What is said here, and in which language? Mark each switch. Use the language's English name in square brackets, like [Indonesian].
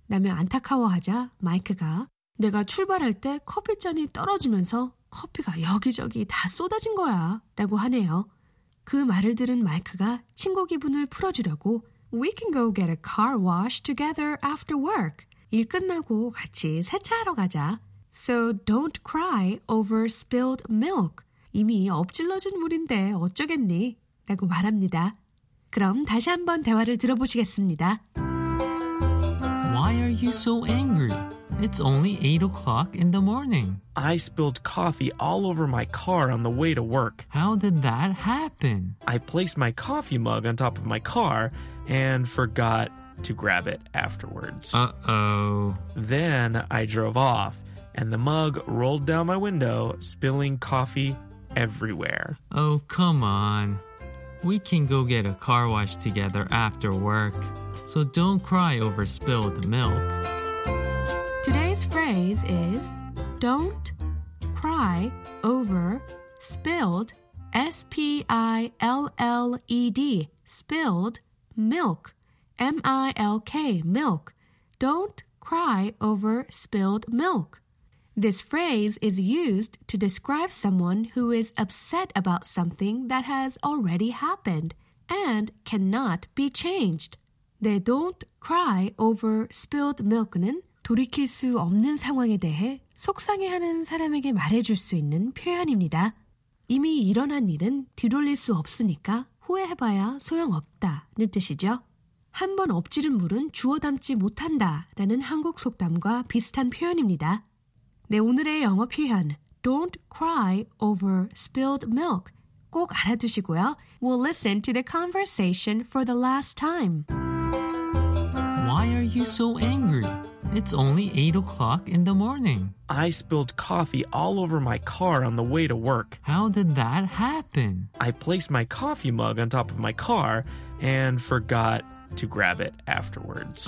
[Korean] 라며 안타까워하자 마이크가 내가 출발할 때 커피잔이 떨어지면서 커피가 여기저기 다 쏟아진 거야. 라고 하네요. 그 말을 들은 마이크가 친구 기분을 풀어주려고 [English] We can go get a car wash together after work. [Korean] 일 끝나고 같이 세차하러 가자. [English] So don't cry over spilled milk. [Korean] 이미 엎질러진 물인데 어쩌겠니? 라고 말합니다. 그럼 다시 한번 대화를 들어보시겠습니다. [English] Why are you so angry? It's only 8 o'clock in the morning. I spilled coffee all over my car on the way to work. How did that happen? I placed my coffee mug on top of my car and forgot to grab it afterwards. Uh-oh. Then I drove off, and the mug rolled down my window, spilling coffee everywhere. Oh, come on. We can go get a car wash together after work. So don't cry over spilled milk. Today's phrase is don't cry over spilled, S-P-I-L-L-E-D, spilled milk, M-I-L-K, milk. Don't cry over spilled milk. This phrase is used to describe someone who is upset about something that has already happened and cannot be changed. The don't cry over spilled milk [Korean] 는 돌이킬 수 없는 상황에 대해 속상해하는 사람에게 말해줄 수 있는 표현입니다. 이미 일어난 일은 뒤돌릴 수 없으니까 후회해봐야 소용없다는 뜻이죠. 한 번 엎지른 물은 주워 담지 못한다라는 한국 속담과 비슷한 표현입니다. 네, 오늘의 영어 표현 [English] Don't cry over spilled milk [Korean] 꼭 알아두시고요. [English] We'll listen to the conversation for the last time. Why are you so angry? It's only 8 o'clock in the morning. I spilled coffee all over my car on the way to work. How did that happen? I placed my coffee mug on top of my car and forgot to grab it afterwards.